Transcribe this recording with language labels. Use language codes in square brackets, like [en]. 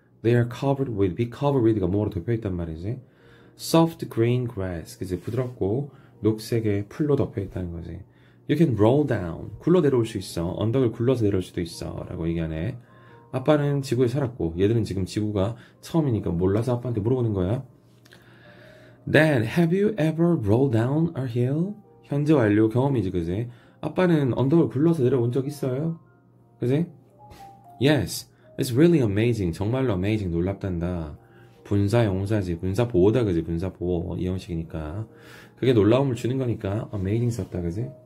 [en] They are covered with, be covered with가 [ko] 뭐로 덮여있단 말이지? [en] Soft green grass, 그지? [ko] 부드럽고 녹색의 풀로 덮여 있다는 거지. [en] You can roll down, [ko] 굴러 내려올 수 있어. 언덕을 굴러서 내려올 수도 있어라고 얘기하네. 아빠는 지구에 살았고, 얘들은 지금 지구가 처음이니까 몰라서 아빠한테 물어보는 거야. [en] Dad, have you ever rolled down a hill? [ko] 현재 완료 경험이지, 그지? 아빠는 언덕을 굴러서 내려온 적 있어요, 그지? [en] Yes, it's really amazing. [ko] 정말로 amazing, 놀랍단다. 분사 형용사지. 분사 보호다, 그지? 분사 보호 이형식이니까 그게 놀라움을 주는 거니까 amazing 썼다, 그지?